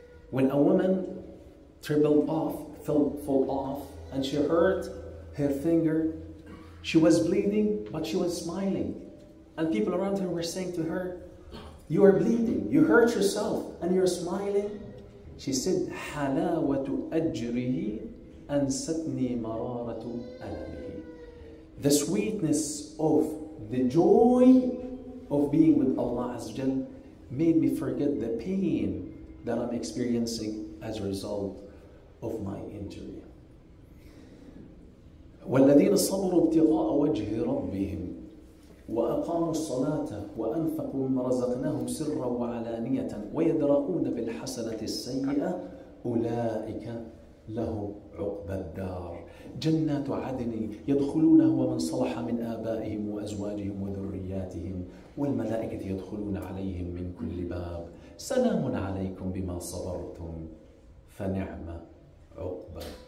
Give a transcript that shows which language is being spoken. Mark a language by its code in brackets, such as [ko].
[en] When a woman fell off, and she hurt her finger. She was bleeding, but she was smiling. And people around her were saying to her, you are bleeding, you hurt yourself, and you're smiling. [ar] She said, حَلَاوَةُ أَجْرِهِ أَنْسَتْنِي مَرَارَةُ أَلَمِهِ. [en] The sweetness of the joy of being with Allah Azza wa Jal made me forget the pain that I'm experiencing as a result of my injury. [ar] والذين صبروا ابتغاء وجه ربهم وأقاموا الصلاة وأنفقوا مما رزقناهم سرا وعلانية ويدرؤون بالحسنة السيئة أولئك لهم عقبى الدار جنات عدن يدخلونها ومن صلح من آبائهم وأزواجهم وذرياتهم والملائكة يدخلون عليهم من كل باب سلام عليكم بما صبرتم فنعم عقبى.